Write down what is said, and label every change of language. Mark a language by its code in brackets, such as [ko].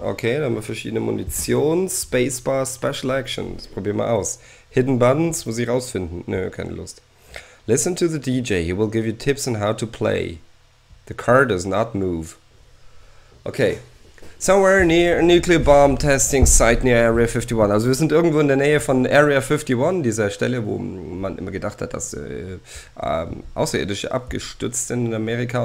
[de] Okay, dann haben wir verschiedene Munition. Spacebar, Special Actions. Probier mal aus. Hidden Buttons, muss ich rausfinden. Nö, keine Lust. [en] Listen to the DJ. He will give you tips on how to play. The car does not move. Okay. Somewhere near a nuclear bomb testing site near Area 51. [de] Also wir sind irgendwo in der Nähe von Area 51, dieser Stelle, wo man immer gedacht hat, dass Außerirdische abgestürzt sind in Amerika.